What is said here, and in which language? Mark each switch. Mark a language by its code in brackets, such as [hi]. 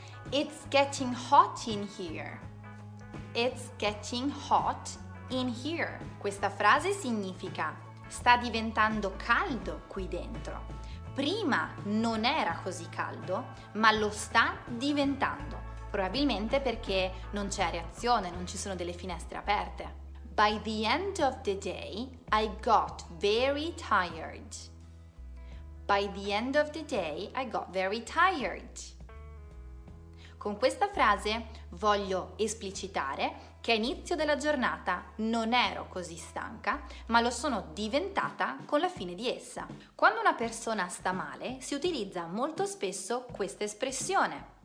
[en] It's getting hot in here. It's getting hot in here. [it] Questa frase significa sta diventando caldo qui dentro. Prima non era così caldo, ma lo sta diventando, probabilmente perché non c'è aerazione, non ci sono delle finestre aperte. [en] By the end of the day, I got very tired. By the end of the day, I got very tired. [it] Con questa frase voglio esplicitare che a inizio della giornata non ero così stanca, ma lo sono diventata con la fine di essa. Quando una persona sta male, si utilizza molto spesso questa espressione.